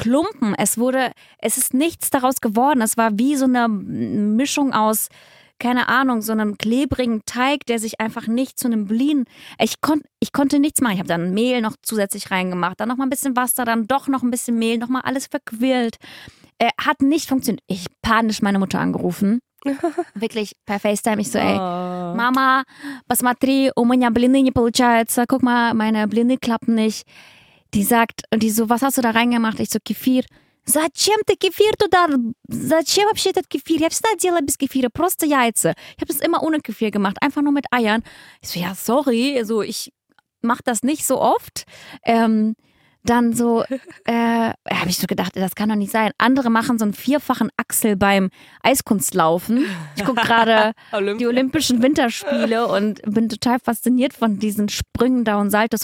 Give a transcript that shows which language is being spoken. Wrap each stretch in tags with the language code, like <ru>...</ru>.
<de>Klumpen, es wurde, es ist nichts daraus geworden. Es war wie so eine Mischung aus, keine Ahnung, so einem klebrigen Teig, der sich einfach nicht zu einem Blin. Ich konnte nichts machen. Ich habe dann Mehl noch zusätzlich reingemacht, dann nochmal ein bisschen Wasser, dann doch noch ein bisschen Mehl, nochmal alles verquirlt. Hat nicht funktioniert. Ich habe panisch meine Mutter angerufen. Wirklich per FaceTime. Ich so, ey,</de> <ru>Mama, посмотри, у меня блины не получается.</ru> <de>Guck mal, meine Blinde klappen nicht. Die sagt, und die so, was hast du da reingemacht? Ich so,</de> <ru>Kefir. Зачем ты кефир туда? Зачем вообще этот кефир? Я всегда делала без кефира, просто яйца.</ru> <de>Ich habe das immer ohne Kefir gemacht, einfach nur mit Eiern. Ich so, ja, sorry, also ich mache das nicht so oft. Dann so, habe ich so gedacht, das kann doch nicht sein. Andere machen so einen vierfachen Achsel beim Eiskunstlaufen. Ich gucke gerade die Olympischen Winterspiele und bin total fasziniert von diesen Sprüngen da und Saltos.</de>